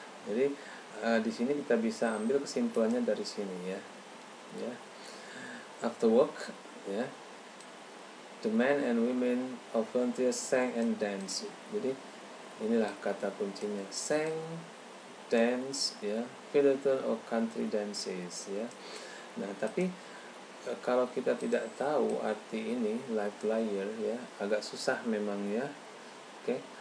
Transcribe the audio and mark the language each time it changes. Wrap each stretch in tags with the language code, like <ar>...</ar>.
<id>Jadi di sini kita bisa ambil kesimpulannya dari sini ya.</id> <en>Ya. After work, ya. The men and women of frontier sang and dance.</en> <id>Jadi inilah kata kuncinya.</id> <en>Sang, dance, ya, fiddle tune or country dances, ya.</en> <id>Nah, tapi kalau kita tidak tahu arti ini, life liar, ya, agak susah memang ya. Oke, okay.</id>